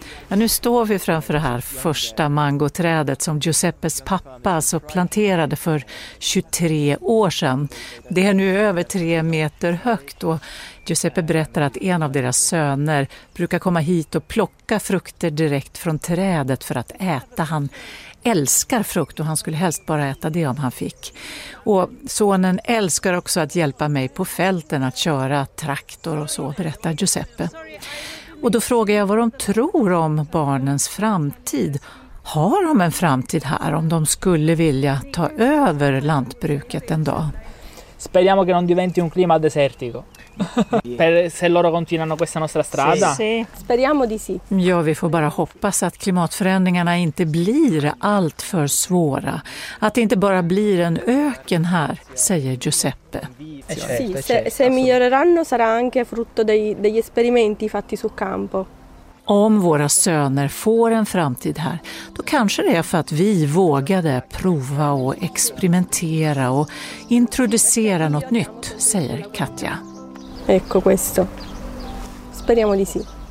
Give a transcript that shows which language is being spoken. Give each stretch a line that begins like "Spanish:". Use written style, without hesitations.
Swedish: Ja, nu står vi framför det här första mangoträdet som Giuseppes pappa så planterade för 23 år sedan. Det är nu över 3 meter högt och Giuseppe berättar att en av deras söner brukar komma hit och plocka frukter direkt från trädet för att äta. Han älskar frukt och han skulle helst bara äta det om han fick. Och sonen älskar också att hjälpa mig på fälten att köra traktor och så, berättar Giuseppe. Och då frågar jag vad de tror om barnens framtid. Har de en framtid här om de skulle vilja ta över lantbruket en dag?
Italian: Speriamo che non diventi un clima desertico. Per se loro continuano questa nostra strada. Speriamo di sì.
Swedish: Ja, vi får bara hoppas att klimatförändringarna inte blir allt för svåra. Att det inte bara blir en öken här, säger Giuseppe.
Italian: Se miglioreranno sarà anche frutto degli esperimenti fatti sul campo.
Swedish: Om våra söner får en framtid här, då kanske det är för att vi vågade prova och experimentera och introducera något nytt, säger Katja.
Italian: Ecco questo. Speriamo di sì.